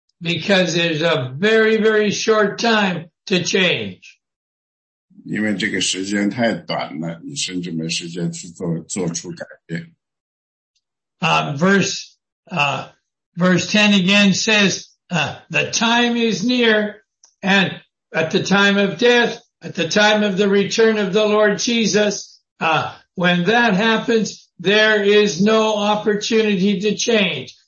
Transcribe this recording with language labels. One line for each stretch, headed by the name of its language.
English: Because there's a very, very short time to change.
Chinese: 因为这个时间太短了，你甚至没时间去做出改变。
English: verse 10 again says, the time is near, and at the time of death, at the time of the return of the Lord Jesus, when that happens, there is no opportunity to change.